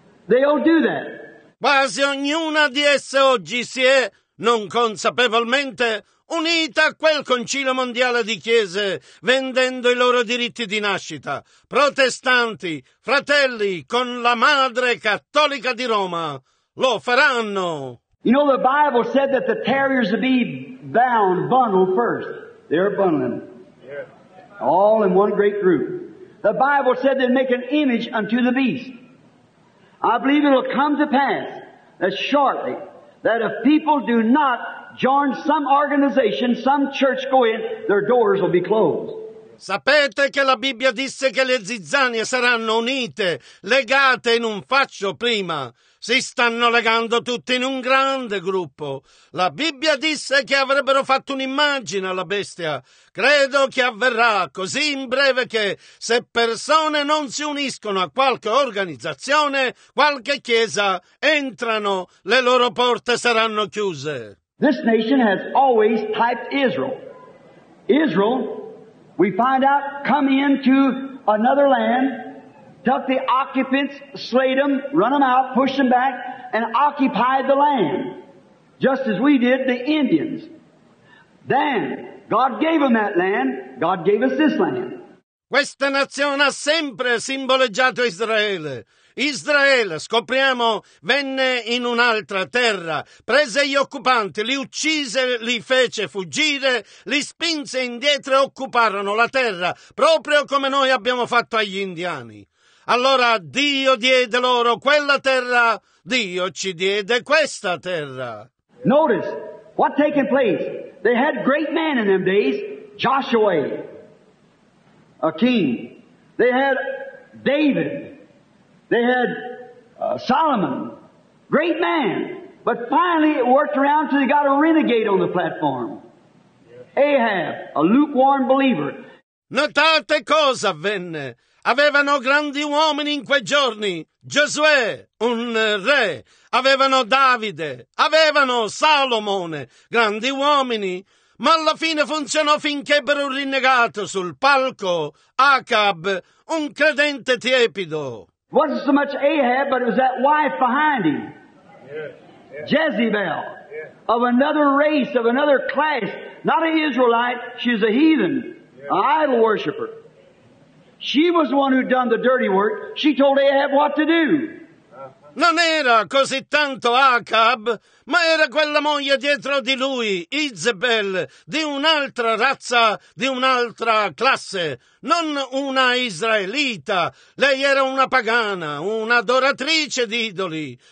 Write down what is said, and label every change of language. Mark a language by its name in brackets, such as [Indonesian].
[English] They all do that. [Italian] Quasi ognuna di esse oggi si è, non consapevolmente, unita a quel concilio mondiale di chiese, vendendo i loro diritti di nascita. Protestanti, fratelli, con la madre cattolica di Roma, lo faranno. [English] You know, the Bible said that the terriers would be bound, bundled first. They're bundling. All in one great group. The Bible said they'd make an image unto the beast. I believe it'll come to pass that shortly, that if people do not join some organization, some church go in, their doors will be closed. [Italian] Sapete che la Bibbia disse che le zizzanie saranno unite, legate in un faccio prima. Si stanno legando tutti in un grande gruppo. La Bibbia disse che avrebbero fatto un'immagine alla bestia. Credo che avverrà così in breve che se persone non si uniscono a qualche organizzazione, qualche chiesa, entrano, le loro porte saranno chiuse. [English] This nation has always typed Israel. Israel, we find out, come into another land, took the occupants, slayed them, run them out, pushed them back, and occupied the land, just as we did the Indians. Then, God gave them that land, God gave us this land. [Italian] Questa nazione ha sempre simboleggiato Israele. Israele, scopriamo, venne in un'altra terra, prese gli occupanti, li uccise, li fece fuggire, li spinse indietro e occuparono la terra, proprio come noi abbiamo fatto agli indiani. Allora Dio diede loro quella terra, Dio ci diede questa terra. [English] Notice what taking place. They had great men in them days, Joshua, a king. They had David. They had Solomon, great man. But finally it worked around till they got a renegade on the platform. Ahab, a lukewarm believer. [Italian] Notate cosa avvenne. Avevano grandi uomini in quei giorni. Giosuè, un re. Avevano Davide. Avevano Salomone. Grandi uomini. Ma alla fine funzionò finché ebbero un rinnegato sul palco. Acab, un credente tiepido. [English] Wasn't so much Ahab, but it was that wife behind him. Jezebel. Of another race, of another class. Not an Israelite. She's a heathen. An idol worshiper. She was the one who'd done the dirty work. She told Ahab what to do. [Italian] Non era così tanto Acab, ma era quella moglie dietro di lui, Izebel, di un'altra razza, di un'altra classe, non una israelita. Lei era una pagana, un'adoratrice di idoli.